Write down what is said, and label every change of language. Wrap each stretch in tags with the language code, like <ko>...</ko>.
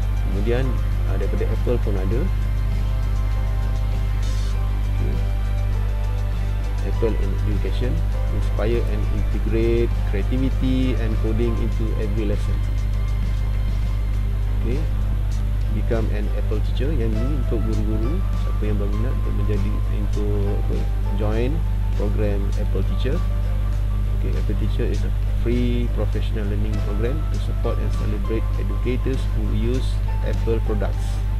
<ms>Kemudian daripada Apple pun ada. Okay.</ms> <en>Apple and Education inspire and integrate creativity and coding into every lesson. Okay. Become an Apple teacher.</en> <ms>Yang ini untuk guru-guru, siapa yang baru nak menjadi untuk join program Apple teacher.</ms> <en>Okay, Apple Teacher is a free professional learning program to support and celebrate educators who use Apple products.</en>